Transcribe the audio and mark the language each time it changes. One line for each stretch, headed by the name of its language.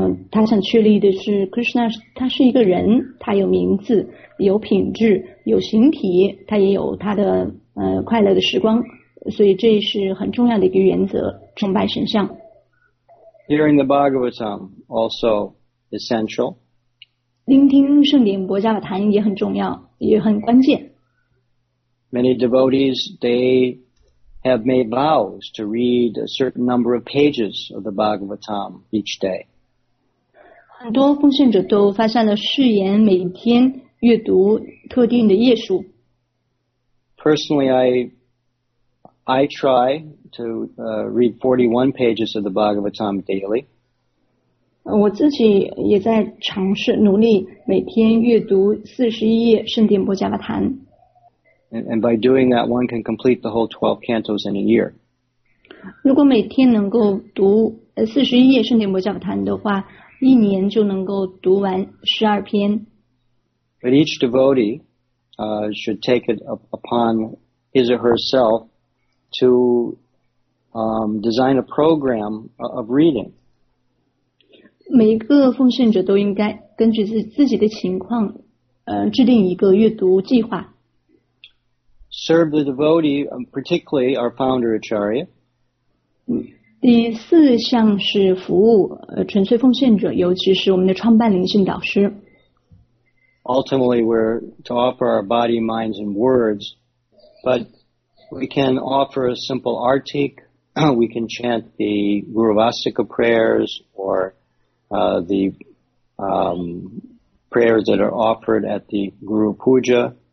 Chinese: 他想确立的是 Krishna 他是一个人，他有名字，有品质，有形体，他也有他的快乐的时光，所以这是很重要的一个原则，崇拜神像。
English: Hearing the Bhagavatam also essential.
Chinese: 聆听圣典薄伽梵谈也很重要，也很关键。
English: Many devotees, they have made vows to read a certain number of pages of the Bhagavatam each day.
Chinese: 很多奉献者都发现了誓言，每天阅读特定的页数。
English: Personally, I try to read 41 pages of the Bhagavatam daily.
Chinese: 我自己也在尝试努力每天阅读41页圣典薄伽梵谈。
English: And by doing that, one can complete the whole 12 cantos in a year.
Chinese: 如果每天能够读41页圣典薄伽梵谈的话，一年就能够读完十二篇。
English: But each devotee, should take it upon his or herself to, design a program of reading.
Chinese: 每一个奉献者都应该根据自己的情况，制定一个阅读计划。
English: Serve the devotee, particularly our founder Acharya.
Chinese: 第四项是服务，纯粹奉献者，尤其是我们的创办灵性导师。
English: Ultimately, we're to offer our body, minds, and words, but we can offer a simple artik, we can chant the Guru Vastika prayers or prayers that are offered at the Guru Puja.